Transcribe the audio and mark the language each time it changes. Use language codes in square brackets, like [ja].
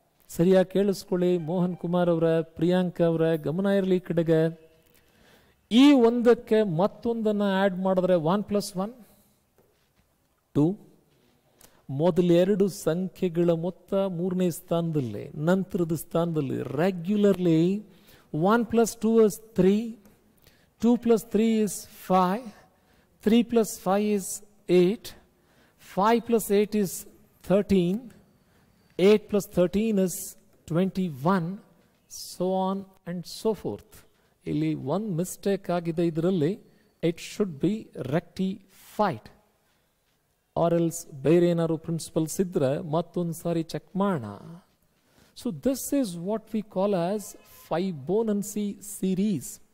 [kn] ಸರಿಯಾಗಿ ಕೇಳಿಸ್ಕೊಳ್ಳಿ ಮೋಹನ್ ಕುಮಾರ್ ಅವರ, ಪ್ರಿಯಾಂಕ ಅವರ ಗಮನ ಇರಲಿ ಕಡೆಗೆ. ಈ ಒಂದಕ್ಕೆ ಮತ್ತೊಂದನ್ನು ಆ್ಯಡ್ ಮಾಡಿದ್ರೆ 1 + 1 = 2. ಮೊದಲ ಎರಡು ಸಂಖ್ಯೆಗಳ ಮೊತ್ತ ಮೂರನೇ ಸ್ಥಾನದಲ್ಲಿ, ನಂತರದ ಸ್ಥಾನದಲ್ಲಿ. [en] Regularly 1 + 2 = 3, 2 + 3 = 5, 3 + 5 = 8, 5 + 8 = 13, 8 + 13 = 21, so on and so forth. [kn] ಇಲ್ಲಿ ಒಂದು ಮಿಸ್ಟೇಕ್ ಆಗಿದೆ ಇದರಲ್ಲಿ, [en] It should be rectified. Or else [kn] ಬೇರೆ ಏನಾದ್ರು ಪ್ರಿನ್ಸಿಪಲ್ಸ್ ಇದ್ರೆ ಮತ್ತೊಂದು ಸಾರಿ ಚೆಕ್ ಮಾಡೋಣ. [en] So this is what we call as Fibonacci series.